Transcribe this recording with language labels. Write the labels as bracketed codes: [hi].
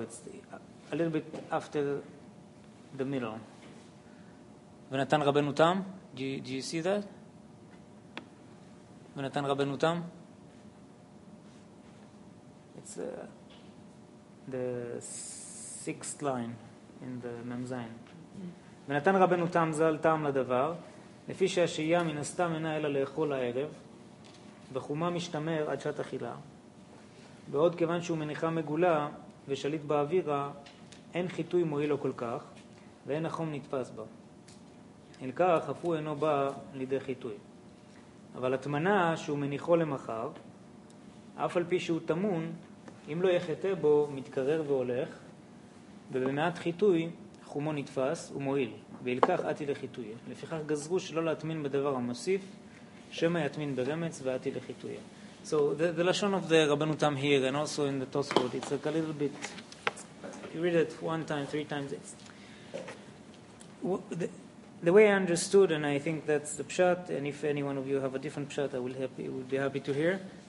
[en] It's a little bit after the middle. Venatan Rabbeinu Tam. Do you see that? Venatan Rabbeinu Tam. It's the sixth line in the Mem Zayin. [he] ונתן רבנו טעם זל טעם לדבר, לפי שהשהייה מן הסתם אינה אלא לאכול הערב, וחומה משתמר עד שעת אכילה. בעוד כיוון שהוא מניחה מגולה ושליט באווירה, אין חיטוי מועיל לו כל כך, ואין החום נתפס בה. אל כך, אף הוא אינו בא לידי חיטוי. אבל התמנה שהוא מניחו למחר, אף על פי שהוא תמון, אם לא יחטא בו, מתקרר והולך, ובמעט חיטוי, חומו נתפס ומועיל, וילקח עתי לחיטויה. לפיכך גזרו שלא להתמין בדבר המוסיף, שמה יתמין ברמץ ועתי לחיטויה. [en] So the lashon of the Rabbeinu Tam here and also in the Tosfot, it's like a little bit, you read it one time, three times. The way I understood, and I think that's the pshat, and if any one of you have a different pshat, I would be happy to hear.